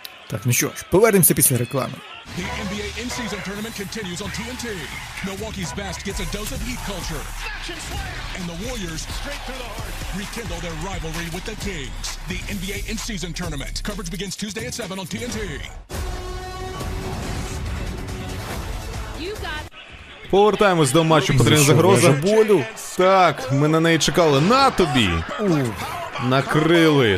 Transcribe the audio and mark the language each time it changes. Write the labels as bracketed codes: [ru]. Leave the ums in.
[uk] Так, ну що ж, повернемося після реклами. [en] The NBA in-season tournament continues on TNT. Milwaukee's best gets a dose of heat culture. And the Warriors straight through the heart. rekindle their rivalry with the Kings. The NBA in-season tournament. Coverage begins Tuesday at 7 on TNT. [uk] Повертаємось до матчу потрібна загроза болю. Так, ми на неї чекали. На тобі! Накрили.